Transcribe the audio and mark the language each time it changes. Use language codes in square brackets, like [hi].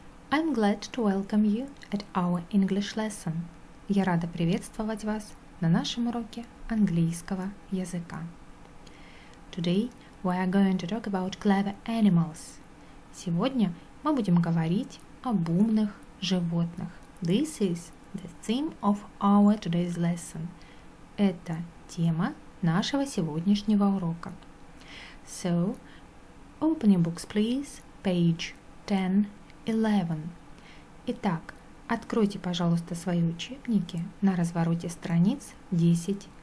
[en] I'm glad to welcome you at our English lesson. [ru] Я рада приветствовать вас на нашем уроке английского языка. [en] Today we are going to talk about clever animals. [ru] Сегодня мы будем говорить об умных животных. [en] This is the theme of our today's lesson. [ru] Это тема нашего сегодняшнего урока. [en] So, open your books, please, page 10, 11. [ru] Итак, откройте, пожалуйста, свои учебники на развороте страниц 10-11.